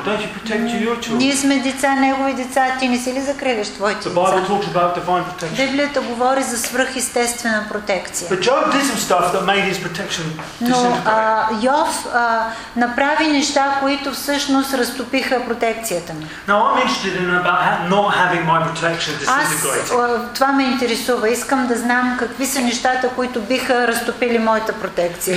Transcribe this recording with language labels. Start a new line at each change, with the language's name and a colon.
English: Don't you protect your children?
Bulgarian: Ние сме деца, негови деца. Ти не си ли закриляш твоите деца?
English: The Bible talks about divine protection.
Bulgarian: Библията говори за свръхестествена протекция.
English: But Job did some stuff that made his protection disintegrate.
Bulgarian: Но Йов направи неща, които всъщност разтопиха протекцията ми.
English: Now I'm interested in about not having my protection disintegrate.
Bulgarian: Това ме интересува. Искам да знам какви са нещата, които биха разтопили моята протекция.